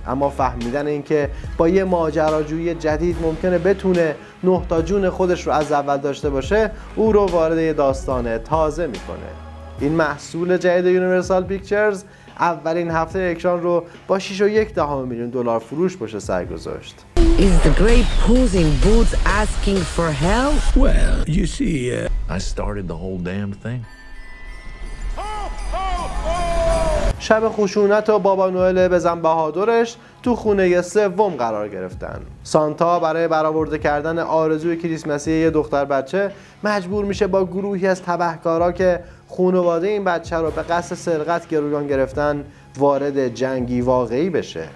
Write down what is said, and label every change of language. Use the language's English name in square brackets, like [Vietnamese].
[Persian] اما فهمیدن اینکه با یه ماجراجویی جدید ممکنه بتونه 9 تا جون خودش رو از اول داشته باشه، او رو وارد یه داستان تازه میکنه. این محصول جدید یونیورسال پیکچرز اولین هفته اکران رو با 6.1 میلیون دلار فروش پشت سر گذاشت. [English] Is the great pools in boots asking for help? Well, you see, I started the whole damn thing. [Persian] شب خشونت و بابا نوئل بزن بهادرش تو خونه سوم قرار گرفتن. سانتا برای برآورده کردن آرزوی کریسمسی یه دختر بچه مجبور میشه با گروهی از تبهکارا که خانواده این بچه رو به قصد سرقت گروگان گرفتن وارد جنگی واقعی بشه.